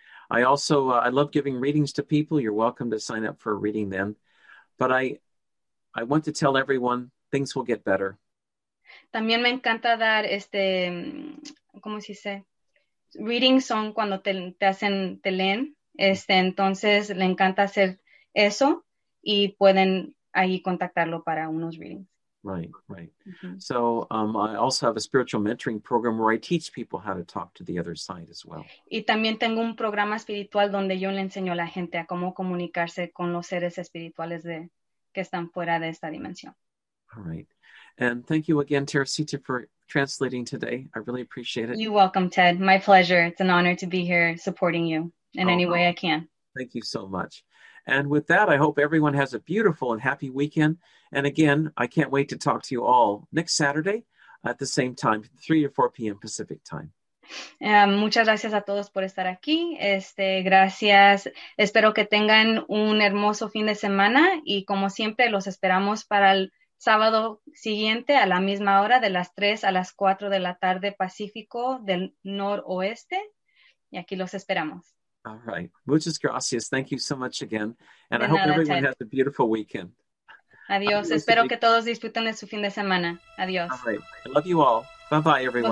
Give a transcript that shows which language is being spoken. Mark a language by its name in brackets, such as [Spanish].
[English] I also I love giving readings to people. You're welcome to sign up for a reading then. But I want to tell everyone things will get better. [Spanish] También me encanta dar este, ¿cómo se dice? Readings son cuando te hacen, te leen. Entonces le encanta hacer eso y pueden ahí contactarlo para unos readings. [English] Right, right. Mm-hmm. So I also have a spiritual mentoring program where I teach people how to talk to the other side as well. [Spanish] Y también tengo un programa espiritual donde yo le enseño a la gente a cómo comunicarse con los seres espirituales de que están fuera de esta dimensión. [English] All right. And thank you again, Teresita, for translating today. I really appreciate it. You're welcome, Ted. My pleasure. It's an honor to be here supporting you. In any way I can. Thank you so much. And with that, I hope everyone has a beautiful and happy weekend. And again, I can't wait to talk to you all next Saturday at the same time, 3 or 4 p.m. Pacific time. [Spanish] Muchas gracias a todos por estar aquí. Gracias. Espero que tengan un hermoso fin de semana. Y como siempre, los esperamos para el sábado siguiente a la misma hora de las 3 a las 4 de la tarde Pacífico del noroeste. Y aquí los esperamos. [English] All right. [Spanish] Muchas gracias. [English] Thank you so much again. And I hope everyone has a beautiful weekend. [Spanish] Adiós. Espero que todos disfruten de su fin de semana. Adiós. [English] All right. I love you all. Bye-bye, everyone.